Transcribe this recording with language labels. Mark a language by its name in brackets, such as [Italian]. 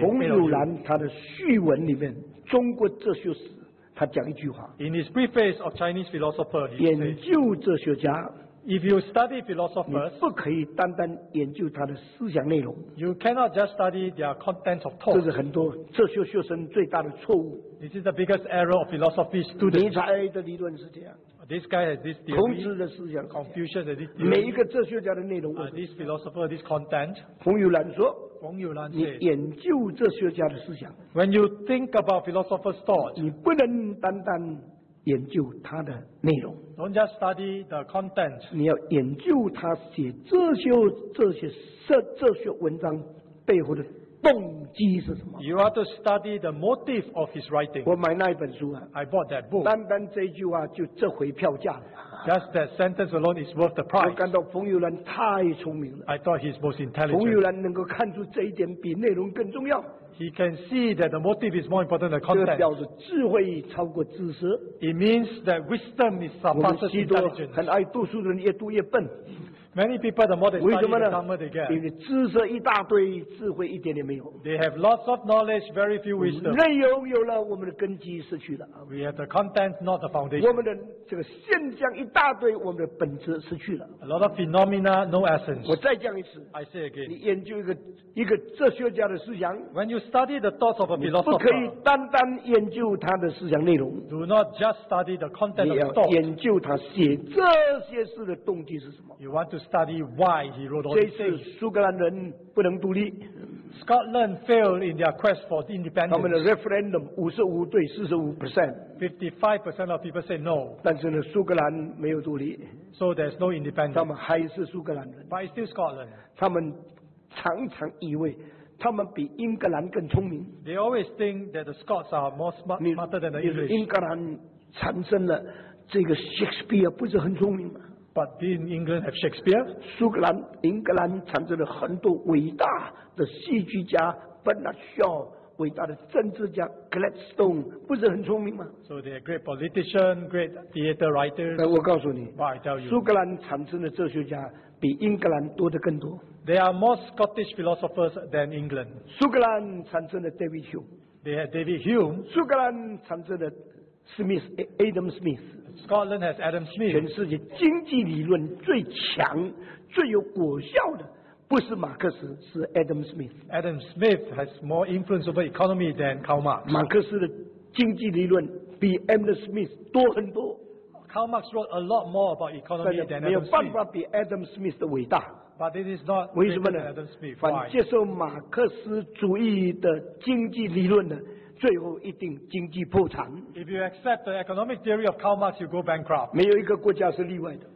[Chinese] 冯友兰他的序文里面，中国哲学史，他讲一句话。 [English] In his preface of Chinese philosopher, he says. [Chinese] 研究哲学家。 [English] If you study philosophers, [Chinese] 你不可以单单研究他的思想内容。 [English] You cannot just study their contents of thought. [Chinese] 这是很多哲学学生最大的错误。 [English] This is the biggest error of philosophy students. [Chinese] 尼采的理论是这样。 [English] This guy has this theory. [Chinese] 孔子的思想。 [English] Confucius has this theory. [Chinese] 每一个哲学家的内容。 [English] This philosopher, this content. [Chinese] 冯友兰说。冯友兰说。你研究哲学家的思想。 [English] When you think about philosophers' thought, [Chinese] 你不能单单。研究他的内容 [English] Don't just study the content [Chinese] 你要研究他写这些文章背后的动机是什么 [English] You are to study the motive of his writing [Chinese] 我买那一本书啊 [English] I bought that book [Chinese] 单单这句话就这回票价了 [English] Just that sentence alone is worth the price [Chinese] 我感到冯友兰太聪明了 [English] I thought he's most intelligent [Chinese] 冯友兰能够看出这一点比内容更重要 [English] He can see that the motive is more important than content. [Chinese] 这表示智慧超过知识。 [English] It means that wisdom is surpasses intelligence. [Chinese] 很爱读书的人越读越笨。 [English] Many people the more they study, the dumber they get. [Chinese] 因为知识一大堆，智慧一点点没有。 [English] They have lots of knowledge, very few wisdom. [Chinese] 内容有了，我们的根基失去了。 [English] We have the content, not the foundation. [Chinese] 我们的这个现象一大堆，我们的本质失去了。 [English] A lot of phenomena, no essence. [Chinese] 我再讲一次。 [English] I say again. [Chinese] 你研究一个哲学家的思想。 [English] When you study the thoughts of a philosopher, [Chinese] 你不可以单单研究他的思想内容。 [English] Do not just study the content of thought. [Chinese] 你要研究他写这些事的动机是什么。 [English] You want to study why he wrote all these things. [Chinese] 这一次苏格兰人不能独立。 [English] Scotland failed in their quest for independence. [Chinese] 他们的referendum 55对45%。 [English] 55% of people say no. [Chinese] 但是呢，苏格兰没有独立。 [English] So there's no independence. [Chinese] 他们还是苏格兰人。 [English] But it's still Scotland. [Chinese] 他们常常以为。他们比英格兰更聪明。 [English] They always think that the Scots are more smarter than the English. [Chinese] 英格兰产生了这个 Shakespeare 不是很聪明吗？ [English] But did England have Shakespeare? [Chinese] 英格兰产生了很多伟大的戏剧家 Bernard Shaw 伟大的政治家 Gladstone 不是很聪明吗？ [English] So they are great politicians, great theatre writers. [Chinese] 我告诉你， [English] But I tell you, [Chinese] 苏格兰产生的哲学家 比英格兰多得更多。 [English] There are more Scottish philosophers than England. [Chinese] 苏格兰产生的David Hume. [English] They had David Hume. [Chinese] 苏格兰产生的Smith, Adam Smith. [English] Scotland has Adam Smith. [Chinese] 全世界经济理论最强、最有果效的不是马克思，是Adam Smith. [English] Adam Smith has more influence over economy than Karl Marx. [Chinese] 马克思的经济理论比Adam Smith多很多。 [English] Karl Marx wrote a lot more about economy than Adam Smith. [Chinese] 没有办法比Adam Smith的伟大。 [English] But it is not greater than Adam Smith. [Chinese] 反接受马克思主义的经济理论呢，最后一定经济破产。 [English] If you accept the economic theory of Karl Marx, you go bankrupt. [Chinese] 没有一个国家是例外的。